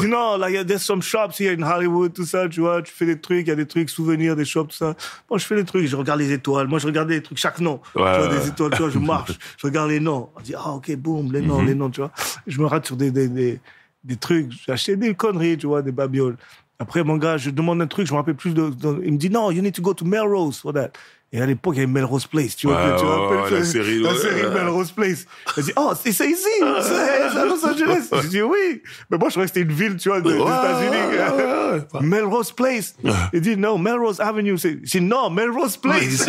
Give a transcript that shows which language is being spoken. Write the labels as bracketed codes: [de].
[fr] dit, non, [en] like, there's some shops here in Hollywood, [fr] tout ça, tu vois, tu fais des trucs, il y a des trucs, souvenirs, des shops, tout ça. Bon, je fais des trucs, je regarde les étoiles. Moi, je regarde les trucs, chaque nom. Ouais, tu vois, des étoiles, tu vois, je marche, je regarde les noms. On dit, ah, ok, boum, les noms, mm-hmm. les noms, tu vois. Je me rate sur des trucs, j'achète des conneries, tu vois, des babioles. Après, mon gars, je demande un truc, je me rappelle plus de. Il me dit, non, [en] you need to go to Melrose for that. [fr] Et à l'époque, il y avait Melrose Place, tu vois, la série Melrose Place. Il a dit, oh, c'est ici, c'est à Los Angeles. J'ai dit, oui. Mais moi, je croyais que c'était une ville, tu vois, des États-Unis. Melrose Place. Il dit, non, Melrose Avenue. J'ai dit, non, Melrose Place.